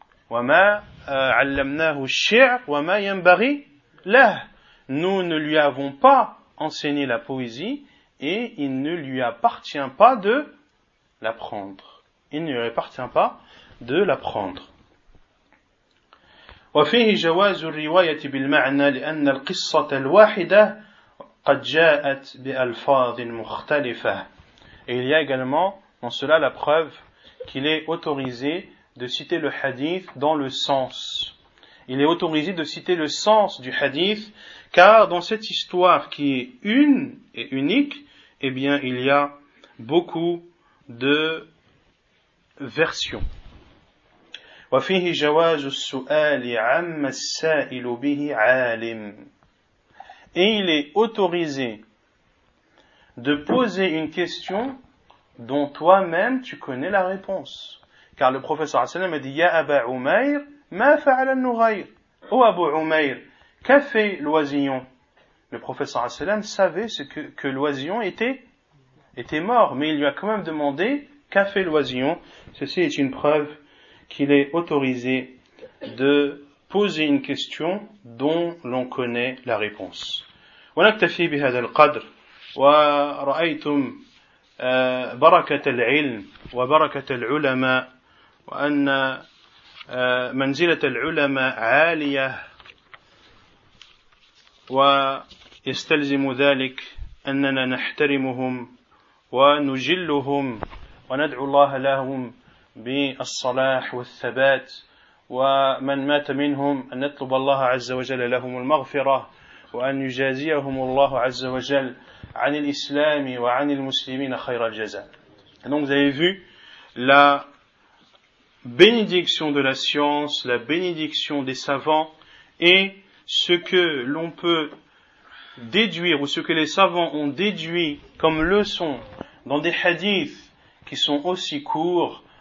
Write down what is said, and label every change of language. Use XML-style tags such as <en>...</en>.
<ar>وَمَا عَلَّمْنَاهُ الشِّعْرَ وَمَا يَنْبَغِي لَهُ.</ar> <fr>Nous ne lui avons pas enseigné la poésie et il ne lui appartient pas de l'apprendre. Il ne lui appartient pas de l'apprendre.</fr> <ar>وفيه جواز الرواية بالمعنى لأن القصة الواحدة قد جاءت بألفاظ مختلفة.</ar> <fr>Et il y a également dans cela la preuve qu'il est autorisé de citer le hadith dans le sens. Il est autorisé de citer le sens du hadith, car dans cette histoire qui est une et unique, eh bien, il y a beaucoup de versions.</fr> <ar>وفيه جواز السؤال عما السائل به عالم.</ar> <fr>Et il est autorisé de poser une question dont toi-même tu connais la réponse. Car le prophète</fr> <ar>صلى الله عليه وسلم</ar> <fr>a dit:</fr> <ar>Ya Aba Umayr, ma fa'al al-Nughayr?</ar> <fr>Ô Abu Umayr, qu'a fait l'oisillon? Le prophète</fr> <ar>صلى الله عليه وسلم</ar> <fr>savait que l'oisillon était mort, mais il lui a quand même demandé: qu'a fait l'oisillon? Ceci est une preuve qu'il est autorisé de poser une question dont l'on connaît la réponse.</fr> <ar>ونكتفي بهذا القدر ورأيتم بركة العلم وبركة العلماء وأن منزلة العلماء عالية ويستلزم ذلك أننا نحترمهم ونجلهم وندعو الله لهم بالصلاح والثبات ومن مات منهم أن نطلب الله عز وجل لهم المغفرة وأن يجازيهم الله عز وجل عن الإسلام وعن المسلمين خير الجزاء.</ar> <fr>Donc vous avez vu la bénédiction de la science, la bénédiction des savants et ce que l'on peut déduire ou ce que les savants ont déduit comme leçon dans des hadiths qui sont aussi courts.</fr>